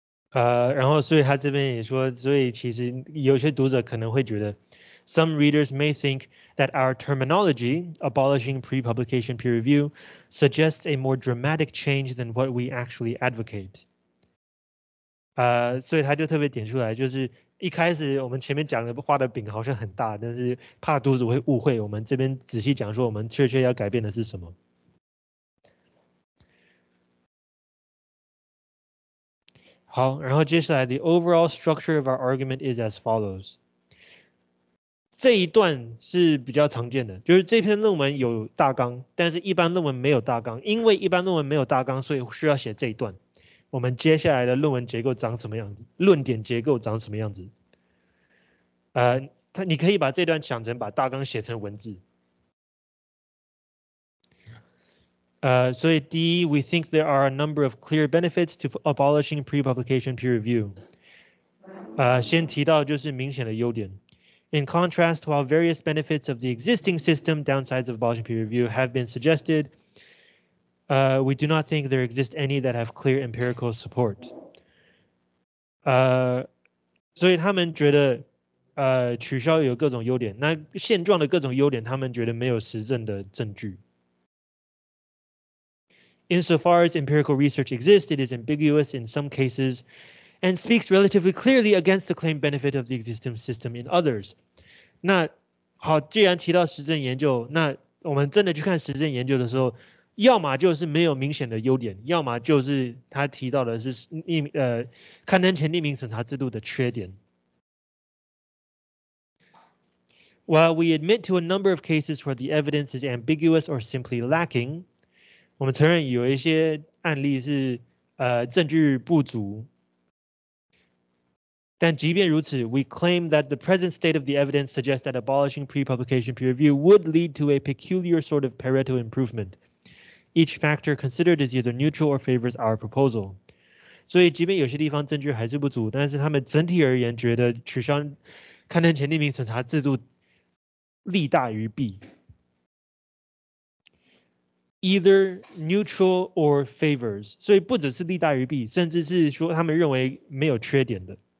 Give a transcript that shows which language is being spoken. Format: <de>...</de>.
<zh>然后所以他这边也说，所以其实有些读者可能会觉得</zh> <en>，some readers may think that our terminology abolishing pre-publication peer review suggests a more dramatic change than what we actually advocate。</en> <zh>所以他就特别点出来，就是一开始我们前面讲的画的饼好像很大，但是怕读者会误会，我们这边仔细讲说我们确切要改变的是什么。好，然后接下来</zh> <en>the overall structure of our argument is as follows。</en> <zh>这一段是比较常见的，就是这篇论文有大纲，但是一般论文没有大纲，因为一般论文没有大纲，所以需要写这一段。我们接下来的论文结构长什么样子？论点结构长什么样子？你可以把这段想成把大纲写成文字。</zh> <en>So D, we think there are a number of clear benefits to abolishing pre-publication peer review.</en> <zh>先提到就是明显的优点。</zh> <en>In contrast, while various benefits of the existing system, downsides of abolishing peer review, have been suggested, we do not think there exist any that have clear empirical support.</en> <zh>所以他们觉得取消有各种优点，那现状的各种优点他们觉得没有实证的证据。</zh> <en>Insofar as empirical research exists, it is ambiguous in some cases and speaks relatively clearly against the claimed benefit of the existing system in others.</en> <zh>那好，既然提到实证研究，那我们真的去看实证研究的时候，要么就是没有明显的优点，要么就是他提到的是刊登前匿名审查制度的缺点。</zh> <en>While we admit to a number of cases where the evidence is ambiguous or simply lacking,</en> <zh>我们承认有一些案例是证据不足。但即便如此</zh> <en>，we claim that the present state of the evidence suggests that abolishing pre-publication peer review would lead to a peculiar sort of Pareto improvement. Each factor considered is either neutral or favors our proposal.</en> <zh>所以，即便有些地方证据还是不足，但是他们整体而言觉得取消刊登前匿名审查制度利大于弊。</zh> <en>Either neutral or favors.</en> <zh>所以不只是利大于弊，甚至是说他们认为没有缺点的。</zh>